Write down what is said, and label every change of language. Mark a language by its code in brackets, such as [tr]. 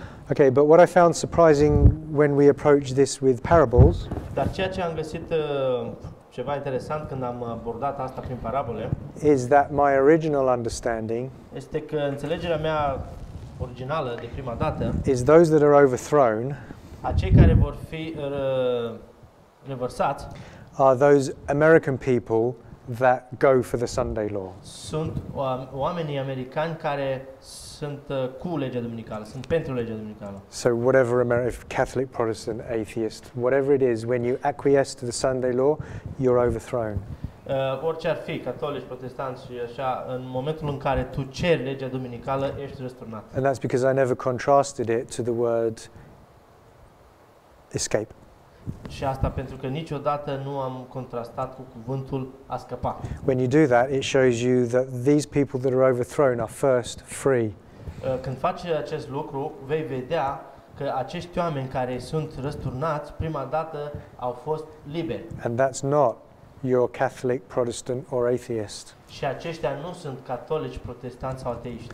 [en] Okay, but what I found surprising when we approach this with parables, [ro] dar ceea ce am găsit ceva interesant când am abordat asta prin parabole, [en] is that my original understanding, [ro] este că înțelegerea mea originală de prima dată, [en] is those that are overthrown, [ro] acei care vor fi revărsați, [en] are those American people that go for the Sunday law. [ro] Sunt oamenii americani care sunt cu legea duminicală, sunt pentru legea duminicală. [en] So whatever American, Catholic, Protestant, atheist, whatever it is, when you acquiesce to the Sunday law, you're overthrown. [ro] Orice ar fi, catolici, protestanți și așa, în momentul în care tu ceri legea duminicală, ești răsturnat. [en] And that's because I never contrasted it to the word escape. [ro] Și asta pentru că niciodată nu am contrastat cu cuvântul a scăpa. [en] When you do that, it shows you that these people that are overthrown are first free. [ro] Când faci acest lucru, vei vedea că acești oameni care sunt răsturnați, prima dată au fost liberi. [en] And that's not your Catholic, Protestant or atheist. [ro] Și aceștia nu sunt catolici, protestanți sau ateiști.